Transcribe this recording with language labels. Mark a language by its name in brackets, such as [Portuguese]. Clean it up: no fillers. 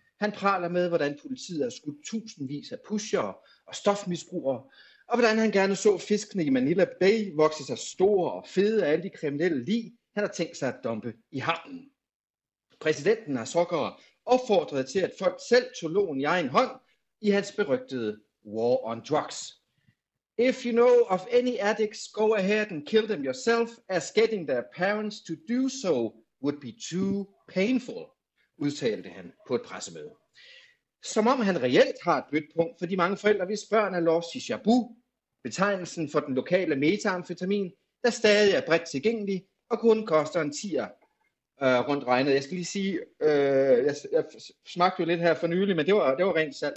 [Danish] Han praler med, hvordan politiet har skudt tusindvis af pushere og stofmisbrugere, og hvordan han gerne så fiskene i Manila Bay vokse sig store og fede af alle de kriminelle lig, han har tænkt sig at dumpe i havnen. Præsidenten har sågar opfordret til, at folk selv tog loven i egen hånd i hans berygtede War on Drugs. [English] If you know of any addicts, go ahead and kill them yourself, as getting their parents to do so would be too painful, [Danish] udtalte han på et pressemøde. Som om han reelt har et blødt punkt for de mange forældre, hvis børn er lost i shabu, betegnelsen for den lokale metamfetamin, der stadig er bredt tilgængelig og kun koster en tier rundt regnet. Jeg skal lige sige, jeg smagte jo lidt her for nylig, men det var rent salt.